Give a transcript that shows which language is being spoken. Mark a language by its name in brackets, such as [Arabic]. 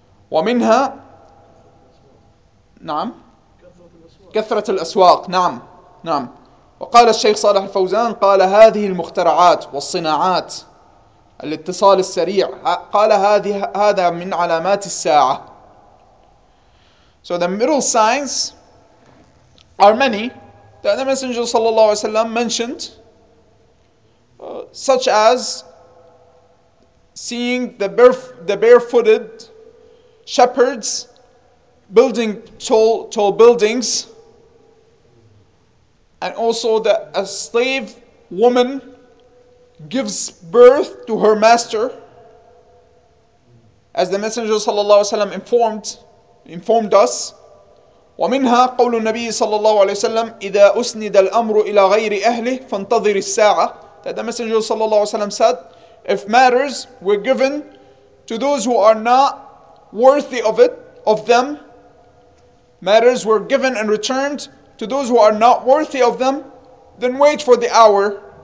[Arabic] ومنها نعم كثرة الأسواق. نعم نعم. وقال الشيخ صالح الفوزان قال هذه المخترعات والصناعات الاتصال السريع قال هذا من علامات الساعة. [English] So the middle signs are many that the Messenger [Arabic] صلى الله عليه وسلم [English] mentioned, such as seeing the barefooted shepherds building tall buildings, and also that a slave woman gives birth to her master, as the Messenger [Arabic] صلى الله عليه وسلم [English] informed us. [Arabic] ومنها قول النبي صلى الله عليه وسلم إذا أسند الأمر إلى غير أهله فانتظر الساعة. [English] That the Messenger [Arabic] صلى الله عليه وسلم [English] said, if matters were given to those who are not worthy of it, of them, matters were given and returned to those who are not worthy of them, then wait for the hour.